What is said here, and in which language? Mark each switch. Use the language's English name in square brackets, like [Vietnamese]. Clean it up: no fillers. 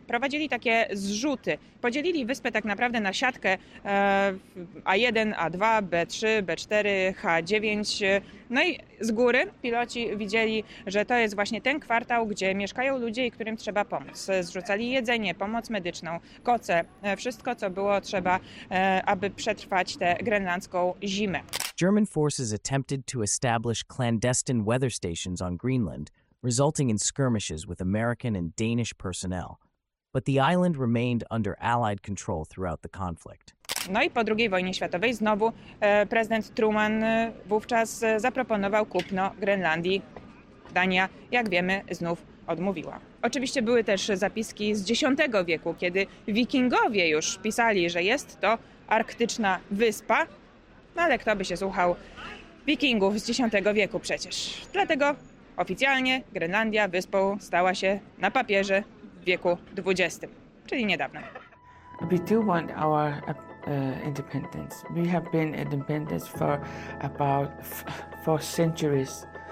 [Polish] Prowadzili takie zrzuty, podzielili wyspę tak naprawdę na siatkę A1, A2, B3, B4, H9. No i z góry piloci widzieli, że to jest właśnie ten kwartał, gdzie mieszkają ludzie i którym trzeba pomóc. Zrzucali jedzenie, pomoc medyczną, koce, wszystko co było trzeba, aby przetrwać tę grenlandzką zimę. [English] German forces attempted to establish clandestine weather stations on Greenland, resulting in skirmishes with American and Danish personnel. But the island remained under Allied control throughout the conflict. [Polish] No i po II wojnie światowej znowu prezydent Truman wówczas zaproponował kupno Grenlandii. Dania, jak wiemy, znów odmówiła. Oczywiście były też zapiski z X wieku, kiedy wikingowie już pisali, że jest to arktyczna wyspa. No ale kto by się słuchał wikingów z X wieku przecież. Dlatego oficjalnie Grenlandia wyspą stała się na papierze w wieku XX, czyli niedawno. [English] We do want our independence. We have been independent for about four centuries.